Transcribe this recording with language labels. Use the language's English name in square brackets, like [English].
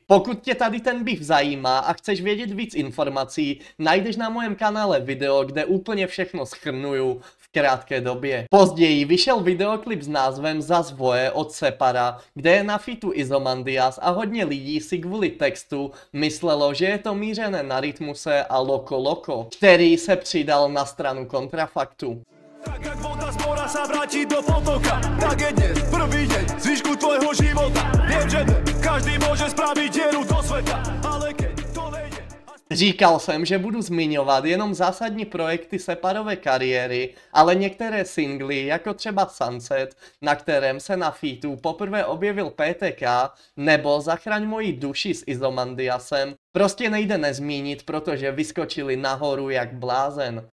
[Czech] Pokud tě tady ten beef zajímá a chceš vědět víc informací, najdeš na mojem kanále video, kde úplně všechno shrnuju v krátké době. Později vyšel videoklip s názvem Za zvoje od Separa, kde je na featu Izomandias a hodně lidí si kvůli textu myslelo, že je to mířené na Rytmuse a Loco Loco, který se přidal na stranu kontrafaktu. [Slovak] Tak jak voda z mora sa vrátí do potoka, tak je dnes prvý deň zvyšku tvojho života. Viem, že každý môže spraviť dieru do poeta, ale keď to nejde. [Czech] Říkal jsem, že budu zmiňovat jenom zásadní projekty Separové kariéry, ale některé singly, jako třeba Sunset, na kterém se na featu poprvé objevil PTK, nebo Zachraň moji duši s Izomandiasem, prostě nejde nezmínit, protože vyskočili nahoru jak blázen.